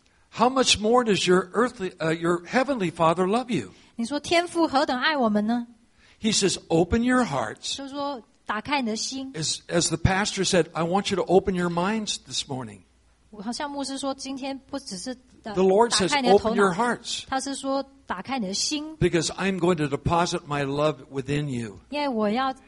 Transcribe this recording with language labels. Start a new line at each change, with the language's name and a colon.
English: how much more does your earthly, your heavenly Father love you?
Chinese: 你说天父何等爱我们呢?
English: He says, open your hearts.
Chinese: 就说打开你的心,
English: as the pastor said, I want you to open your minds this morning.
Chinese: 好像牧师说,
English: the Lord says, open your hearts.
Chinese: 他是说打开你的心,
English: because I'm going to deposit my love within you.
Chinese: 因为我要,